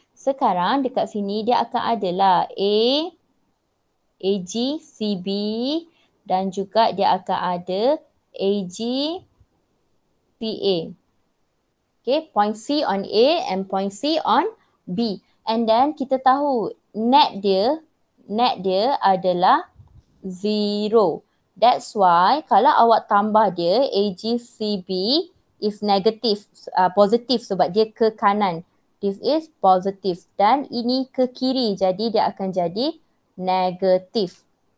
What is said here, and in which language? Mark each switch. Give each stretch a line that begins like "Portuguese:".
Malay: Sekarang dekat sini dia akan adalah A, AG, CB dan juga dia akan ada AG, PA.
English: Okay, point C on A and point C on B.
Malay: And then kita tahu net dia adalah 0.
English: That's why
Malay: kalau awak tambah dia AG, CB
English: is negative,
Malay: positif sebab dia ke kanan.
English: This is positive
Malay: dan ini ke kiri jadi dia akan jadi negatif.